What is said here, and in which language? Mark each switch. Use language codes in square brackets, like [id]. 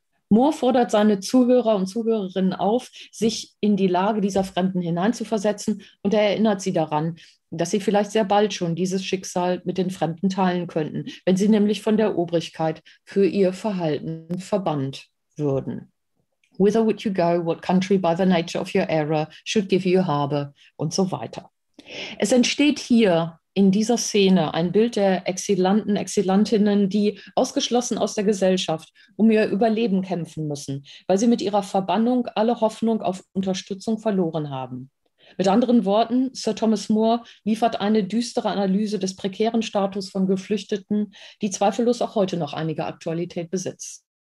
[de] Moore fordert seine Zuhörer und Zuhörerinnen auf, sich in die Lage dieser Fremden hineinzuversetzen, und er erinnert sie daran, dass sie vielleicht sehr bald schon dieses Schicksal mit den Fremden teilen könnten, wenn sie nämlich von der Obrigkeit für ihr Verhalten verbannt würden. [en] Whither would you go? What country by the nature of your error should give you harbor? [de] Und so weiter. Es entsteht hier in dieser Szene ein Bild der Exilanten, Exilantinnen, die ausgeschlossen aus der Gesellschaft um ihr Überleben kämpfen müssen, weil sie mit ihrer Verbannung alle Hoffnung auf Unterstützung verloren haben. Mit anderen Worten, Sir Thomas Moore liefert eine düstere Analyse des prekären Status von Geflüchteten, die zweifellos auch heute noch einige Aktualität besitzt.